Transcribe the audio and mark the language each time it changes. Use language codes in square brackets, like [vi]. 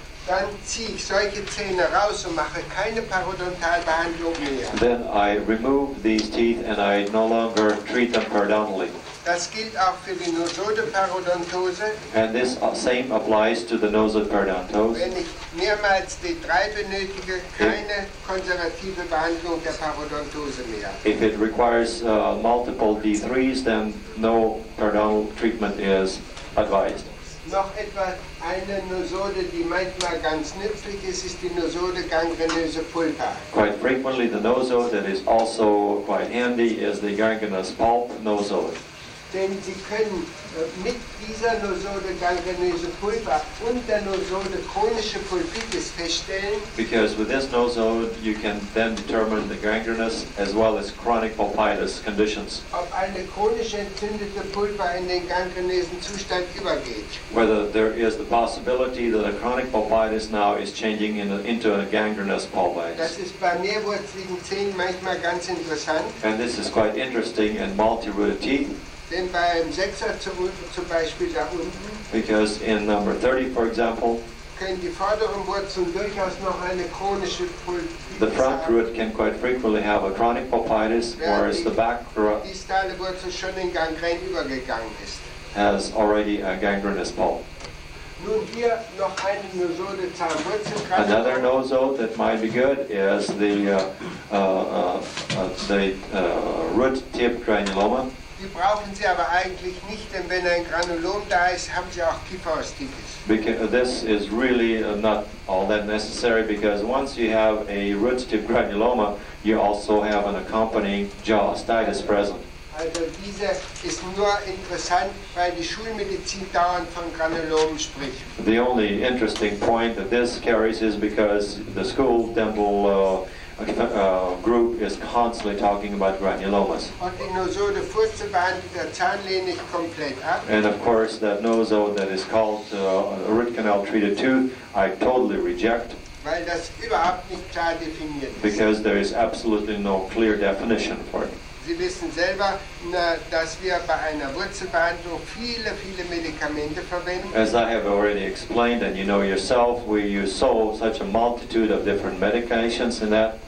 [de] Dann ziehe ich solche Zähne raus und mache keine Parodontalbehandlung mehr. [en] Then I remove these teeth and I no longer treat them periodontally. [de] Das gilt auch für die Nosode Parodontose. [en] And this same applies to the nosode periodontose. [de] Wenn ich mehrmals D3 benötige, keine konservative Behandlung der Parodontose mehr. [en] If it requires multiple D3s, then no periodontal treatment is advised. [de] noch etwa eine Nosode, die manchmal ganz nützlich ist, ist die Nosode gangrenöse pulpa. [en] Quite frequently, the nosode that is also quite handy is the gangrenous pulp nosode. [de] Denn Sie können mit dieser Nosode gangrenöse pulpa und der Nosode chronische Pulpitis feststellen. [en] Because with this nosode, you can then determine the gangrenous as well as chronic pulpitis conditions. [de] Ob eine chronisch entzündete pulpa in den gangrenösen Zustand übergeht. [en] Whether there is the possibility that a chronic pulpitis now is changing into a gangrenous pulpitis. [de] Das ist bei mehrwurzeligen Zehen manchmal ganz interessant. [en] And this is quite interesting in multi-rooted teeth. [de] Denn beim Sechser zum Beispiel da unten, [en] because in number 30, for example, [de] können die vorderen Wurzeln durchaus noch eine chronische Pulpitis. [en] The front root can quite frequently have a chronic pulpitis, whereas the back root [de] distale Wurzel schon in Gangren übergegangen ist. [en] Has already a gangrenous pulp. [de] Nun hier noch eine Nosode zur Wurzelkrankheit. [en] Another nosode that might be good is the root tip granuloma. [de] Die brauchen Sie aber eigentlich nicht, denn wenn ein Granulom da ist, haben Sie auch Kieferosteitis. [en] Because this is really not all that necessary, because once you have a root tip granuloma, you also have an accompanying jaw osteitis present. [de] Also diese ist nur interessant, weil die Schulmedizin dauernd von Granulomen spricht. [en] The only interesting point that this carries is because the school dental group is constantly talking about granulomas. And of course, that nosode that is called root canal treated tooth, I totally reject. [de] Weil das überhaupt nicht klar definiert ist. [en] Because there is absolutely no clear definition for it. [de] Sie wissen selber, dass wir bei einer Wurzelbehandlung viele, viele Medikamente verwenden. [en] As I have already explained, and you know yourself, we use such a multitude of different medications in that.